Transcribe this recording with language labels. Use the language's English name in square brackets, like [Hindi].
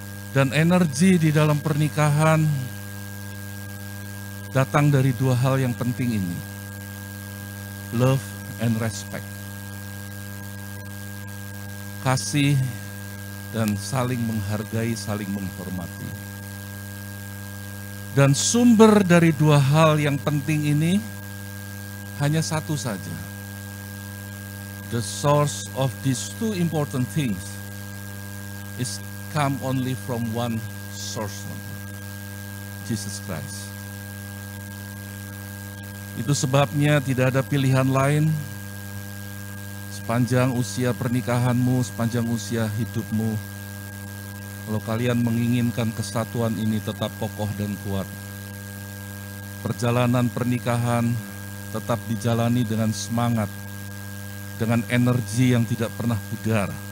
[Indonesian] Dan energi di dalam pernikahan datang dari dua hal yang penting ini, [English] love and respect, [Indonesian] kasih dan saling menghargai, saling menghormati. Dan sumber dari dua hal yang penting ini hanya satu saja. [English] The source of these two important things is come only from one source, Jesus Christ. [Indonesian] Itu sebabnya tidak ada pilihan lain sepanjang usia pernikahanmu, sepanjang usia hidupmu. Kalau kalian menginginkan kesatuan ini tetap kokoh dan kuat, perjalanan pernikahan tetap dijalani dengan semangat, dengan energi yang tidak pernah pudar.